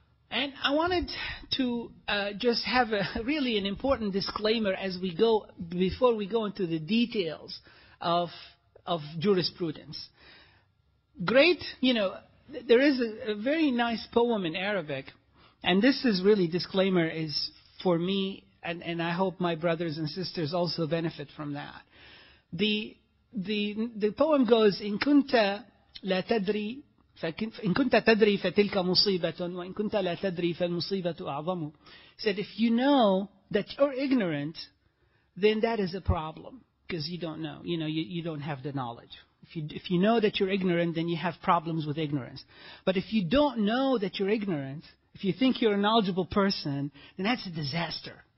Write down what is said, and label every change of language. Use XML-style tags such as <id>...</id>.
<en>And I wanted to just have an important disclaimer as we go, before we go into the details of jurisprudence. Great, you know, there is a very nice poem in Arabic, and this is really, disclaimer is for me, and I hope my brothers and sisters also benefit from that.</en> <ar>The poem goes, إن كنت لا تدري فإن كنت تدري فتلك مصيبة وإن كنت لا تدري فالمصيبة أعظم.</ar> <en>Said, if you know that you're ignorant, then that is a problem. Because you don't know, you know, you don't have the knowledge. If you know that you're ignorant, then you have problems with ignorance. But if you don't know that you're ignorant, if you think you're a knowledgeable person, then that's a disaster.</en>